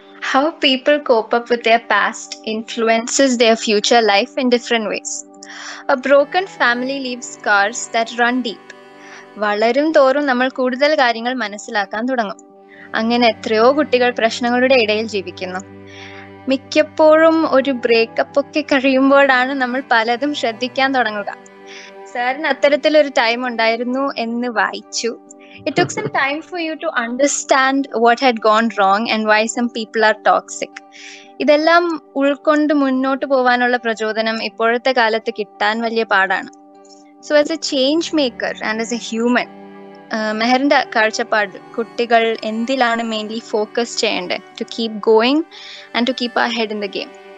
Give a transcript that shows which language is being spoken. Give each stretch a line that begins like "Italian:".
English: How people cope up with their past influences their future life in different ways. A broken family leaves scars that run deep.
Malayalam: വളരും തോറും നമ്മൾ കൂടുതൽ കാര്യങ്ങൾ മനസ്സിലാക്കാൻ തുടങ്ങും. അങ്ങനെ എത്രയോ കുട്ടികൾ പ്രശ്നങ്ങളുടെ ഇടയിൽ ജീവിക്കുന്നു. മിക്കപ്പോഴും ഒരു ബ്രേക്കപ്പ് ഒക്കെ കഴിയുമ്പോഴാണ് നമ്മൾ പലതും ശ്രദ്ധിക്കാൻ തുടങ്ങുക. സാറിന് അത്തരത്തിലൊരു ടൈം ഉണ്ടായിരുന്നു എന്ന് വായിച്ചു.
English: It took some time for you to understand what had gone wrong and why some people are toxic.
Malayalam: ഇതെല്ലാം ഉൾക്കൊണ്ട് മുന്നോട്ട് പോകാനുള്ള പ്രചോദനം ഇപ്പോഴത്തെ കാലത്ത് കിട്ടാൻ വലിയ പാടാണ്.
English: So as a change maker and as a human,
Malayalam: മെഹറിന്റെ കാഴ്ചപ്പാട് കുട്ടികൾ എന്തിലാണ് മെയിൻലി ഫോക്കസ് ചെയ്യേണ്ടത്
English: to keep going and to keep ahead in the game?